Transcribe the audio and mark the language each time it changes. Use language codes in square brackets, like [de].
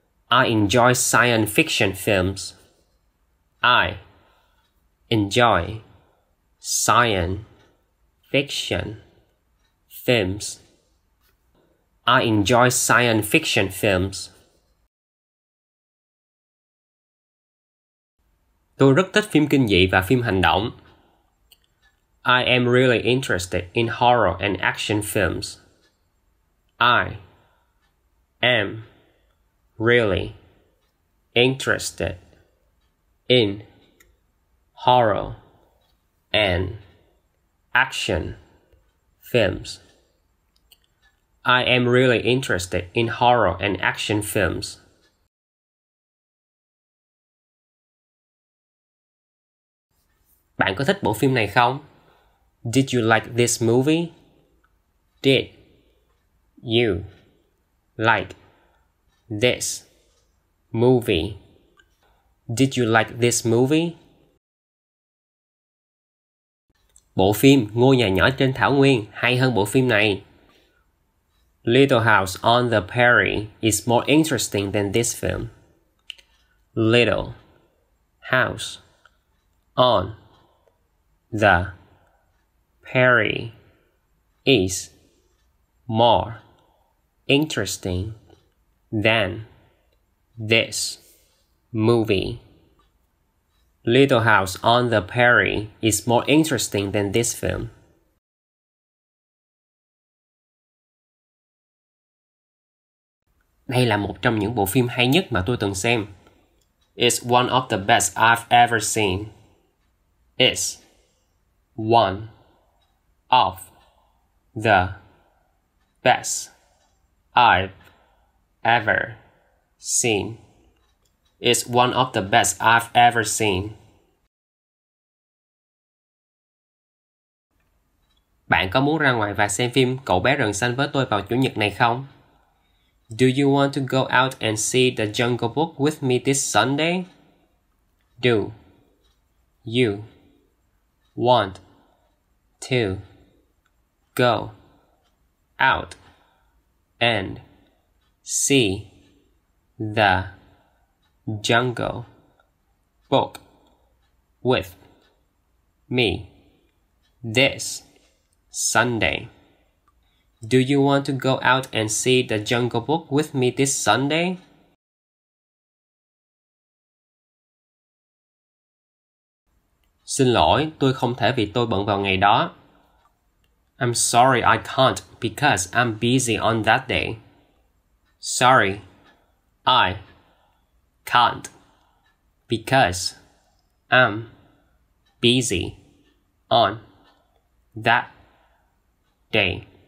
[en] I enjoy science fiction films. I enjoy science fiction films. I enjoy science fiction films. [vi] Tôi rất thích phim kinh dị và phim hành động. [en] I am really interested in horror and action films. I am really interested in horror and action films. I am really interested in horror and action films. [vi] Bạn có thích bộ phim này không? [en] Did you like this movie? Did you like this movie? Did you like this movie? [vi] Bộ phim Ngôi Nhà Nhỏ Trên Thảo Nguyên hay hơn bộ phim này. [en] Little House on the Prairie is more interesting than this film. Little House on the Perry is more interesting than this movie. Little House on the Prairie is more interesting than this film. [vi] Đây là một trong những bộ phim hay nhất mà tôi từng xem. [en] It's one of the best I've ever seen. It's one of the best I've ever seen. It's one of the best I've ever seen. [vi] Bạn có muốn ra ngoài và xem phim Cậu bé rừng xanh với tôi vào chủ nhật này không? [en] Do you want to go out and see the Jungle Book with me this Sunday? Do you want to go out and see the Jungle Book with me this Sunday? Do you want to go out and see the Jungle Book with me this Sunday? [vi] Xin lỗi, tôi không thể vì tôi bận vào ngày đó. [en] I'm sorry, I can't because I'm busy on that day. Sorry, I can't because I'm busy on that day.